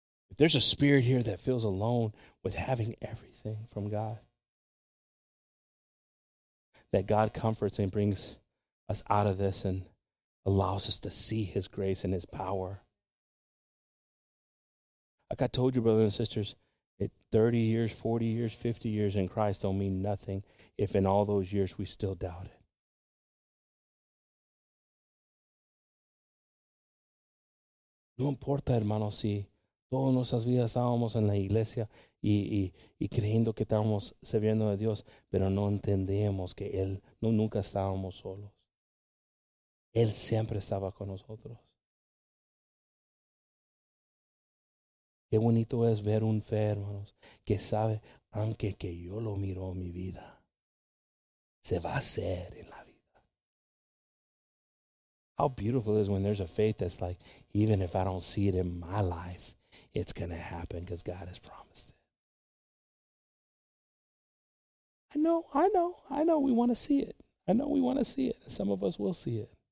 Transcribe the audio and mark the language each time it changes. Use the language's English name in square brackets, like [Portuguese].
[English] If there's a spirit here that feels alone with having everything from God, that God comforts and brings us out of this and allows us to see his grace and his power. Like I told you, brothers and sisters, 30 years, 40 years, 50 years in Christ don't mean nothing if in all those years we still doubt it. [Spanish] No importa, hermano, si todas nuestras vidas estábamos en la iglesia y creyendo que estábamos sirviendo a Dios, pero no entendíamos que Él, no, nunca estábamos solos. Él siempre estaba con nosotros. Qué bonito es ver un fe, hermanos, que sabe, aunque que yo lo miro en mi vida, se va a hacer en la vida. [English] How beautiful is when there's a faith that's like, even if I don't see it in my life, it's going to happen because God has promised it. I know. We want to see it. I know we want to see it. Some of us will see it.